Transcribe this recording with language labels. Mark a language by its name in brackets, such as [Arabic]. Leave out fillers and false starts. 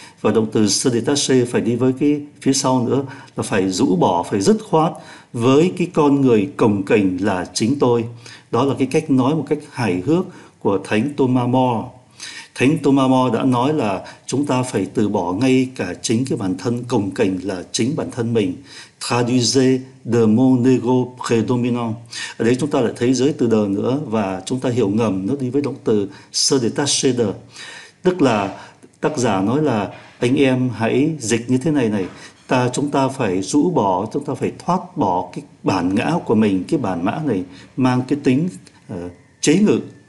[Vietnamese] Và động từ se détacher phải đi với cái phía sau nữa là phải rũ bỏ, phải dứt khoát với cái con người cồng kềnh là chính tôi. Đó là cái cách nói một cách hài hước của Thánh Thomas More. Thánh Thomas More đã nói là chúng ta phải từ bỏ ngay cả chính cái bản thân cồng kềnh là chính bản thân mình. [French] Traduisez de mon ego prédominant. [Vietnamese] Ở đây chúng ta lại thấy giới từ de nữa và chúng ta hiểu ngầm nó đi với động từ se détacher de. Tức là tác giả nói là anh em hãy dịch như thế này này, chúng ta phải rũ bỏ, chúng ta phải thoát bỏ cái bản ngã của mình, cái bản mã này mang cái tính chế ngự.